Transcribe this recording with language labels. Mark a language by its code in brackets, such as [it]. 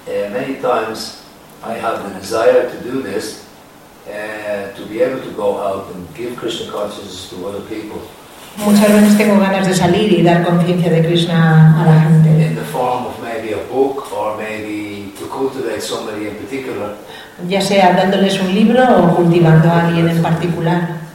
[en] Many times I have the desire to do this, to be able to go out and give Krishna consciousness to other people. [es] Muchas veces tengo ganas de salir y dar conciencia de Krishna a la gente. [en] In the form of maybe a book or maybe to cultivate somebody in particular. [es] Ya sea dándoles un libro o cultivando a alguien en particular.